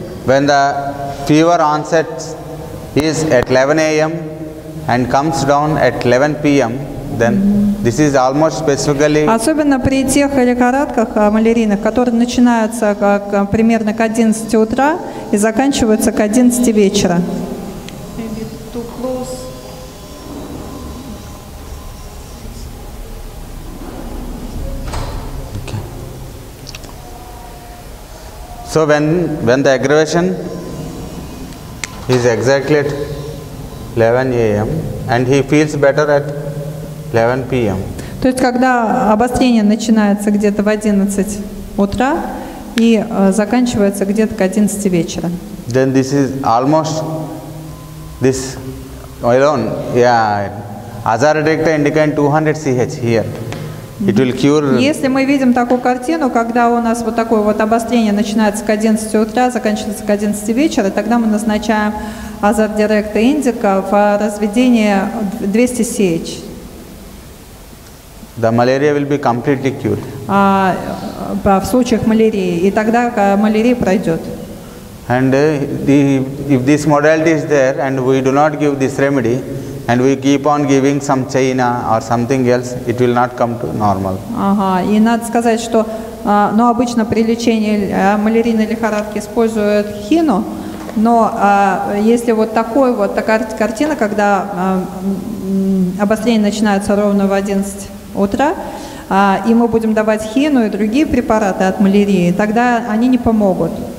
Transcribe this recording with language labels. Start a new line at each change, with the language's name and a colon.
English: when the fever onsets is at 11 a.m. and comes down at 11 p.m., then this is almost specifically.
Russian: Особенно при тех лихорадках малярийных, которые начинаются как примерно к 11 утра и заканчиваются к 11 вечера.
English: So when the aggravation is exactly at 11 a.m. and he feels better at 11 p.m.
Russian: То есть когда обострение начинается где-то в 11 утра и заканчивается где-то к 11 вечера.
English: Then this is almost this alone. Yeah, Azara Directa indicating 200 CH here. It will cure.
Russian: Если мы видим такую картину, когда у нас вот такое вот обострение начинается к 11 утра, заканчивается к 11 вечера, тогда мы назначаем Азар Директа Индика в разведение 200 CH.
English: The malaria will be completely cured.
Russian: В случаях малярии. И тогда малярия пройдет.
English: And if this modality is there and we do not give this remedy, and we keep on giving some China or something else, it will not come to normal.
Russian: Ага. И надо сказать, что, ну, обычно при лечении малярийной лихорадки используют хину, но если вот такой вот такая картина, когда обострение начинается ровно в 11 утра, и мы будем давать хину и другие препараты от малярии, тогда они не помогут.